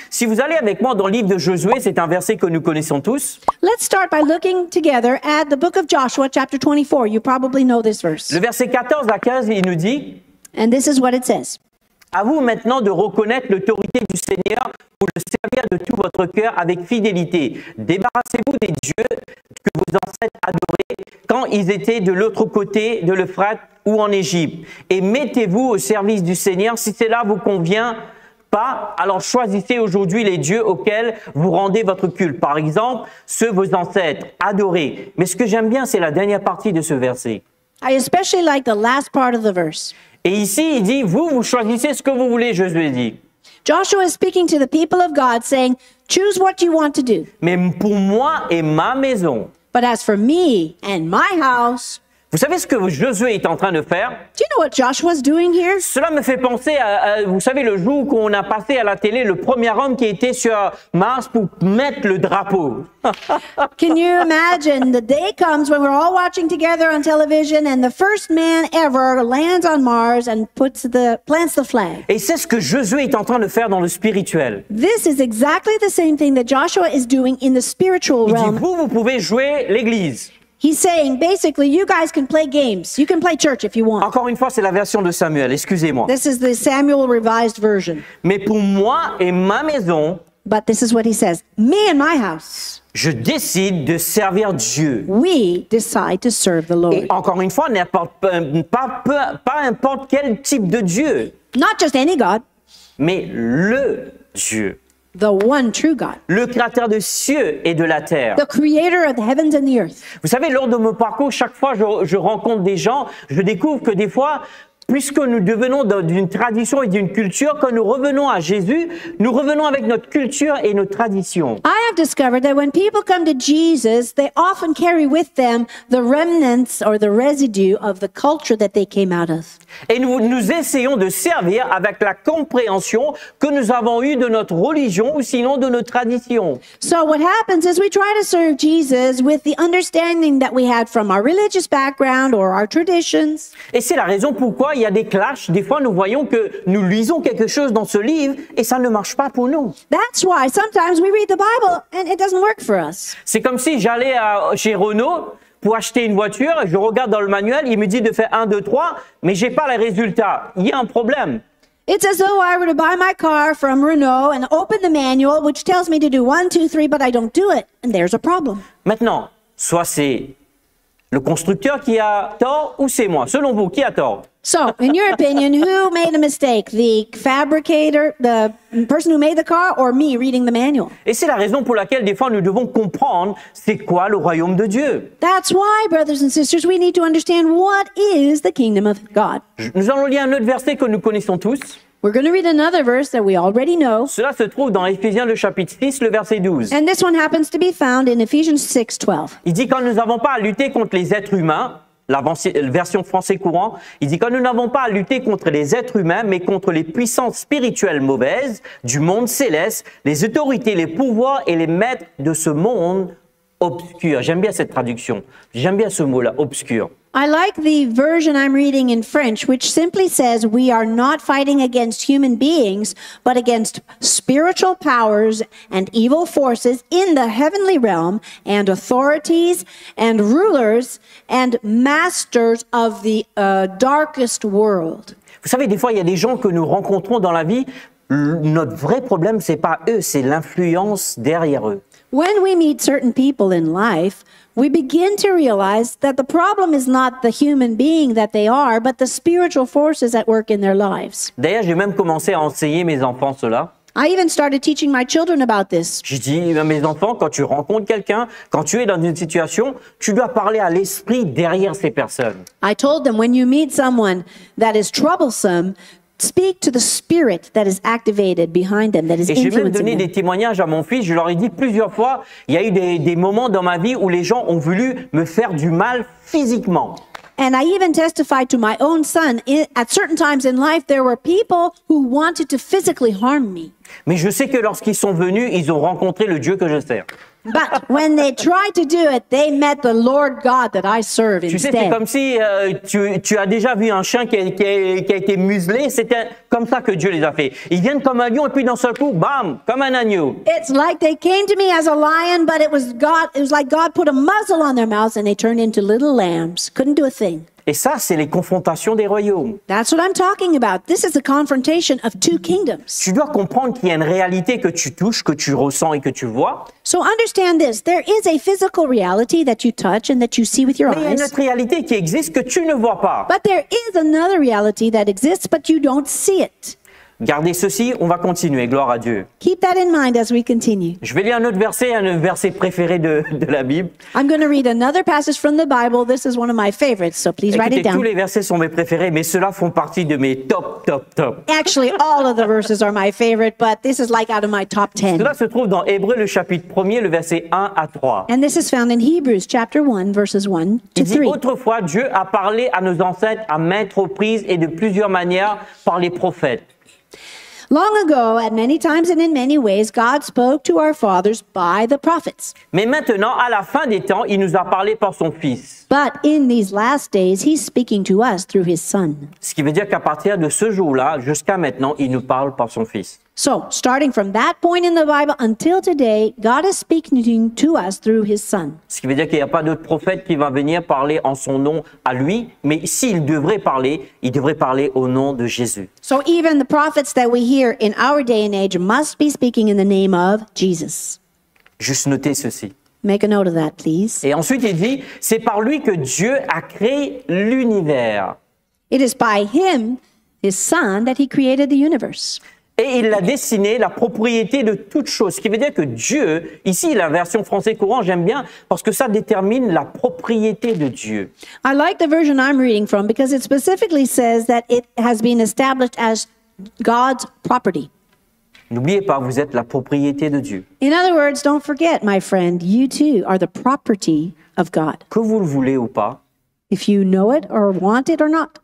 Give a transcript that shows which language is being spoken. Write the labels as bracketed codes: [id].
[fr] Si vous allez avec moi dans le livre de Josué, c'est un verset que nous connaissons tous. [en] Let's start by looking together at the book of Joshua, chapter 24. You probably know this verse. [fr] Le verset 14 à 15, il nous dit. [en] And this is what it says. [fr] À vous maintenant de reconnaître l'autorité du Seigneur pour le servir de tout votre cœur avec fidélité. Débarrassez-vous des dieux que vos ancêtres adoraient quand ils étaient de l'autre côté de l'Euphrate ou en Égypte. Et mettez-vous au service du Seigneur. Si cela vous convient pas, alors choisissez aujourd'hui les dieux auxquels vous rendez votre culte. Par exemple, ceux vos ancêtres adoraient. Mais ce que j'aime bien, c'est la dernière partie de ce verset. [en] I especially like the last part of the verse. [fr] Et ici, il dit, vous choisissez ce que vous voulez, Josué dit. [en] Joshua is speaking to the people of God, saying, choose what you want to do. [fr] Mais pour moi et ma maison. [en] But as for me and my house. [fr] Vous savez ce que Josué est en train de faire? [en] Do you know what Joshua is doing here? [fr] Cela me fait penser à vous savez, le jour qu'on a passé à la télé, le premier homme qui était sur Mars pour mettre le drapeau. [en] Can you imagine the day comes when we're all watching together on television and the first man ever lands on Mars and plants the flag? [fr] Et c'est ce que Josué est en train de faire dans le spirituel. [en] This is exactly the same thing that Joshua is doing in the spiritual realm. [fr] Il dit, vous pouvez jouer l'église. [en] He's saying, basically, you guys can play games. You can play church if you want. [fr] Encore une fois, c'est la version de Samuel. Excusez-moi. [en] This is the Samuel revised version. [fr] Mais pour moi et ma maison. [en] But this is what he says. Me and my house. [fr] Je décide de servir Dieu. [en] We decide to serve the Lord. [fr] Et encore une fois, pas importe quel type de Dieu. [en] Not just any God. [fr] Mais le Dieu. [en] The one true God. [fr] Le créateur des cieux et de la terre. [en] The creator of the heavens and the earth. [fr] Vous savez, lors de mon parcours, chaque fois je rencontre des gens, je découvre que des fois, puisque nous devenons d'une tradition et d'une culture, quand nous revenons à Jésus, nous revenons avec notre culture et nos traditions. [en] I have discovered that when people come to Jesus, they often carry with them the remnants or the residue of the culture that they came out of. [fr] Et nous essayons de servir avec la compréhension que nous avons eue de notre religion ou sinon de nos traditions. [en] So what happens is we try to serve Jesus with the understanding that we had from our religious background or our traditions. [fr] Et c'est la raison pourquoi il y a des clashs. Des fois, nous voyons que nous lisons quelque chose dans ce livre et ça ne marche pas pour nous. [en] That's why sometimes we read the Bible and it doesn't work for us. [fr] C'est comme si j'allais chez Renault pour acheter une voiture, je regarde dans le manuel, il me dit de faire 1, 2, 3, mais je n'ai pas les résultats. Il y a un problème. [en] It's as though I were to buy my car from Renault and open the manual, which tells me to do 1, 2, 3, but I don't do it, and there's a problem. [fr] Maintenant, soit c'est le constructeur qui a tort, ou c'est moi. Selon vous, qui a tort? [en] So, in your opinion, who made a mistake? The fabricator, the person who made the car, or me reading the manual? [fr] Et c'est la raison pour laquelle, des fois, nous devons comprendre c'est quoi le royaume de Dieu. [en] That's why, brothers and sisters, we need to understand what is the kingdom of God. [fr] Nous allons lire un autre verset que nous connaissons tous. [en] We're going to read another verse that we already know. [fr] Cela se trouve dans Éphésiens le chapitre 6, le verset 12. [en] And this one happens to be found in Ephesians 6, 12. [fr] Il dit, quand nous n'avons pas à lutter contre les êtres humains, la version français courant, il dit, quand nous n'avons pas à lutter contre les êtres humains, mais contre les puissances spirituelles mauvaises du monde céleste, les autorités, les pouvoirs et les maîtres de ce monde obscur. J'aime bien cette traduction. J'aime bien ce mot-là, obscur. [en] I like the version I'm reading in French, which simply says, we are not fighting against human beings, but against spiritual powers and evil forces in the heavenly realm and authorities and rulers and masters of the darkest world. [fr] Vous savez, des fois, il y a des gens que nous rencontrons dans la vie, notre vrai problème, c'est pas eux, c'est l'influence derrière eux. [en] When we meet certain people in life, we begin to realize that the problem is not the human being that they are, but the spiritual forces at work in their lives. [fr] D'ailleurs, j'ai même commencé à enseigner mes enfants cela. [en] I even started teaching my children about this. [fr] J'ai dit, mes enfants, quand tu rencontres quelqu'un, quand tu es dans une situation, tu dois parler à l'esprit derrière ces personnes. [en] I told them, when you meet someone that is troublesome, speak to the spirit that is activated behind them, that is influencing them. [fr] Et j'ai même donné des témoignages à mon fils. Je leur ai dit plusieurs fois, il y a eu des moments dans ma vie où les gens ont voulu me faire du mal physiquement. [en] And I even testified to my own son. At certain times in life, there were people who wanted to physically harm me. [fr] Mais je sais que lorsqu'ils sont venus, ils ont rencontré le Dieu que je sers. [en] But when they tried to do it, they met the Lord God that I serve [fr] tu [en] instead. [fr] Tu sais, c'est comme si tu as déjà vu un chien qui a été muselé. C'est comme ça que Dieu les a fait. Ils viennent comme un lion et puis d'un seul coup, bam, comme un agneau. [en] It's like they came to me as a lion, but it was like God put a muzzle on their mouths and they turned into little lambs. Couldn't do a thing. [fr] Et ça, c'est les confrontations des royaumes. [en] That's what I'm talking about. This is the confrontation of two kingdoms. [fr] Tu dois comprendre qu'il y a une réalité que tu touches, que tu ressens et que tu vois. [en] So understand this. There is a physical reality that you touch and that you see with your eyes. [fr] Mais il y a une autre réalité qui existe que tu ne vois pas. [en] But there is another reality that exists, but you don't see it. [fr] Gardez ceci, on va continuer. Gloire à Dieu. [en] Keep that in mind as we continue. [fr] Je vais lire un autre verset préféré de la Bible. [en] I'm going to read another passage from the Bible. This is one of my favorites, so please [fr] Écoutez, [en] write it down. [fr] Tous les versets sont mes préférés, mais ceux-là font partie de mes top. [en] Actually, all of the verses are my favorite, but this is like out of my top 10. [fr] Cela se trouve dans Hébreux, le chapitre 1er, le verset 1 à 3. [en] And this is found in Hebrews, chapter 1, verses 1 to 3. [fr] Il dit, autrefois, Dieu a parlé à nos ancêtres à maintes reprises et de plusieurs manières par les prophètes. [en] Long ago, at many times and in many ways, God spoke to our fathers by the prophets. [fr] Mais maintenant, à la fin des temps, il nous a parlé par son fils. [en] But in these last days, he's speaking to us through his son. [fr] Ce qui veut dire qu'à partir de ce jour-là, jusqu'à maintenant, il nous parle par son fils. [en] So, starting from that point in the Bible until today, God is speaking to us through his son. [fr] Ce qui veut dire qu'il n'y a pas d'autre prophète qui va venir parler en son nom à lui, mais s'il devrait parler, il devrait parler au nom de Jésus. [en] So even the prophets that we hear in our day and age must be speaking in the name of Jesus. [fr] Juste notez ceci. [en] Make a note of that, please. [fr] Et ensuite il dit, c'est par lui que Dieu a créé l'univers. [en] It is by him, his son, that he created the universe. [fr] Et il l'a destiné la propriété de toute chose. Ce qui veut dire que Dieu, ici la version française courante, j'aime bien, parce que ça détermine la propriété de Dieu. [en] I like the version I'm reading from because it specifically says that it has been established as God's property. [fr] N'oubliez pas, vous êtes la propriété de Dieu. [en] In other words, don't forget, my friend, you too are the property of God. [fr] Que vous le voulez ou pas. [en] If you know it or want it or not.